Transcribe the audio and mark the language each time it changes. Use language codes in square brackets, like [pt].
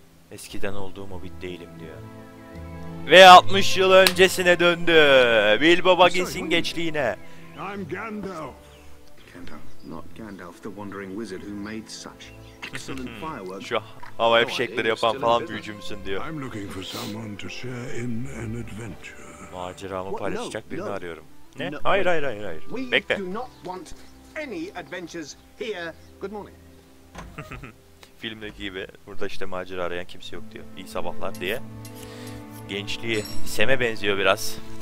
[tr] Eskiden olduğum Hobbit değilim diyor. Ve 60 yıl öncesine döndü. Bilbo Baggins'in geçliğine. [en] I'm Gandalf. Not Gandalf, the wandering wizard who made such excellent fireworks. [tr] Şu hava fişekleri yapan falan büyücümsün diyor. [en] I'm looking for someone to share in an adventure. [tr] Maceramı paylaşacak birini arıyorum. Ne? Hayır. Bekle. [en] We do not want any adventures here. Good morning. [tr] Filmdeki gibi burada işte macera arayan kimse yok diyor. İyi sabahlar diye. Gençliği Sam'e benziyor biraz.